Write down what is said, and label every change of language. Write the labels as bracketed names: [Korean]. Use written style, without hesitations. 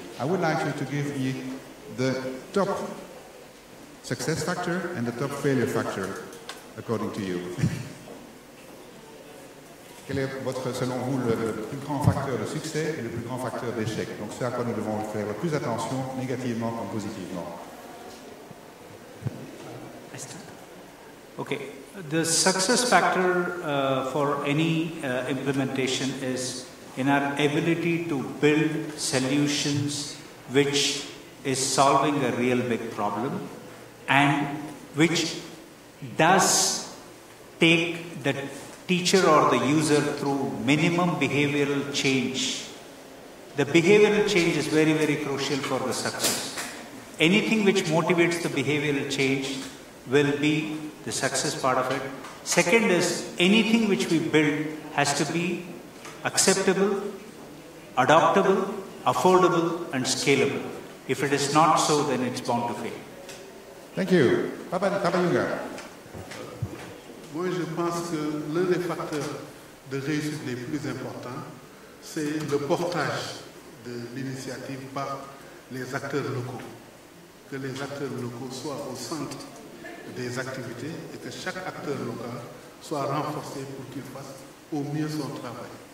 [English] I would like you to give me the top success factor and the top failure factor, according to you. [French] Quel est votre, selon vous, le plus grand facteur de succès et le plus grand facteur d'échec? Donc, ce à quoi nous devons faire plus attention, négativement comme positivement. [English] Okay, the success factor for any implementation is in our ability to build solutions which is solving a real big problem and which does take the teacher or the user through minimum behavioral change. The behavioral change is very, very crucial for the success. Anything which motivates the behavioral change will be the success part of it. Second is anything which we build has to be acceptable, adoptable, affordable, and scalable. If it is not so, then it's bound to fail. Thank you. Papa Yunga. [French] Moi, je pense que l'un des facteurs de réussite les plus importants, c'est le portage de l'initiative par les acteurs locaux. Que les acteurs locaux soient au centre des activités et que chaque acteur local soit renforcé pour qu'il fasse au mieux son travail.